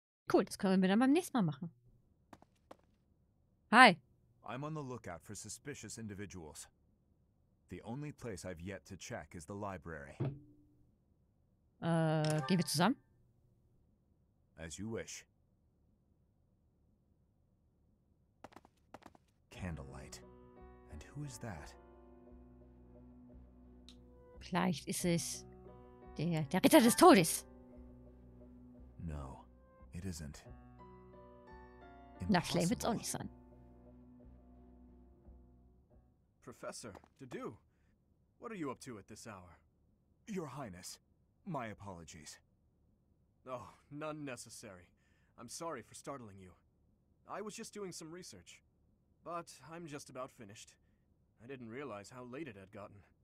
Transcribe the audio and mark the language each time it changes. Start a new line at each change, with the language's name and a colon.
German: Cool, das können wir dann beim nächsten Mal machen.
English: Hi. I'm on the lookout for suspicious individuals. The only place I've yet to check is the library.
German: Gehen wir zusammen?
English: As you wish. Candlelight. Who is that?
German: Vielleicht ist es der Ritter des Todes.
English: No, it isn't.
German: Na, schlecht wird's auch nicht sein.
English: Professor, Dudu, what are you up to at this hour? Your Highness, my apologies. Oh, none necessary. I'm sorry for startling you. I was just doing some research. But I'm just about finished. I didn't realize how late it had gotten.